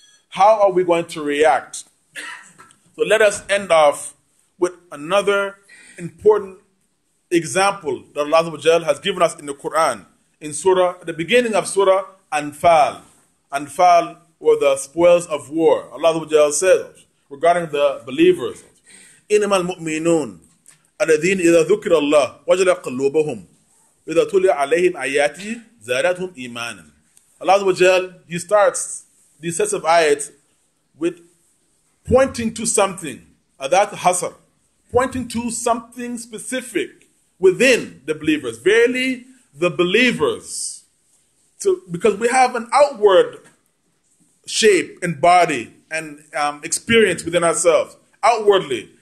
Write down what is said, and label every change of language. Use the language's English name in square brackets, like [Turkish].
[English] How are we going to react? So let us end off with another important example that Allah Azza wa Jal has given us in the Quran, in Surah, the beginning of Surah Anfal. Anfal were the spoils of war. Allah Azza wa Jal says regarding the believers, [Arabic] إِنَّمَا الْمُؤْمِنُونَ الَّذِينَ إِذَا ذُكِرَ اللَّهُ وَجَلَتْ قُلُوبُهُمْ إِذَا تُلِيَ عَلَيْهِمْ آيَاتِهِ زَادَتْهُمْ إِيمَانًا. [English] Allah Azza wa Jal, he starts these sets of ayats with pointing to something, that hasr, pointing to something specific within the believers. Verily, the believers, so because we have an outward shape and body and experience within ourselves, outwardly.